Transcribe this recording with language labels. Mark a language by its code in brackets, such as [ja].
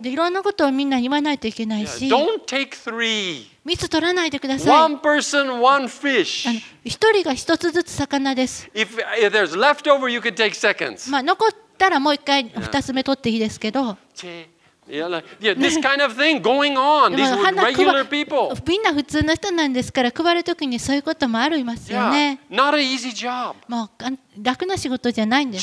[ja] で、いろんなことをみんなに言わないといけないし。 [en] Don't take three. [ja] 蜜取らないでください。 [en] One person, one fish. [ja] 一人が一つずつ魚です。 [en] If there's leftover, you could take seconds. [ja] まあ残ったらもう一回二つ目取っていいですけど。 [en] This kind of thing going on. These were regular people. [ja] みんな普通の人なんですから、配るときにそういうこともありますよね。 [en] Not an easy job. [ja] もう楽な仕事じゃないんです。